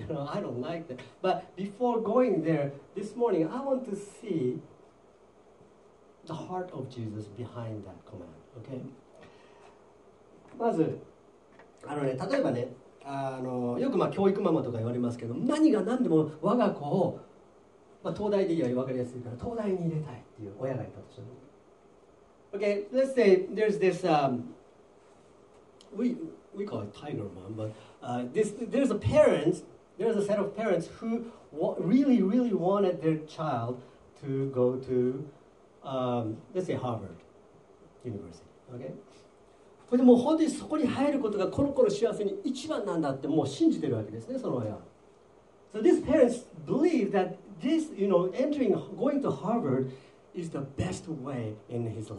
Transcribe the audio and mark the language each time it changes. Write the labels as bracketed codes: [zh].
[en] You know, I don't like that. But before going there, this morning, I want to see the heart of Jesus behind that command, okay? [ja] まず、あのね、例えばね、あのよくまあ教育ママとか言われますけど、何が何でも我が子を、まあ、東大でいいより分かりやすいから、東大に入れたいっていう親がいたとしても。 [en] Okay, let's say there's this, we call it tiger mom, but... there's a set of parents who really, really wanted their child to go to, let's say Harvard University. Okay. [ja] これでも本当にそこに入ることがコロコロ幸せに一番なんだってもう信じてるわけですね、その親は。 [en] So these parents believe that this, you know, entering, going to Harvard is the best way in his life.